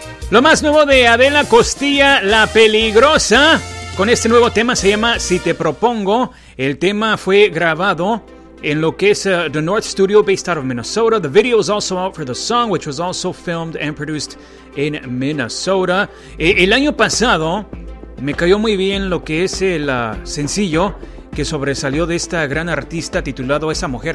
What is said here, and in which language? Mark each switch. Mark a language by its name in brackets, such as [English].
[Spanish] Lo más nuevo de Adela Costilla, La Peligrosa, con este nuevo tema, se llama Si Te Propongo. El tema fue grabado en lo que es The North Studio, [English] based out of Minnesota. The video is also out for the song, which was also filmed and produced in Minnesota. [Spanish] El año pasado me cayó muy bien lo que es el sencillo que sobresalió de esta gran artista, titulado Esa Mujer.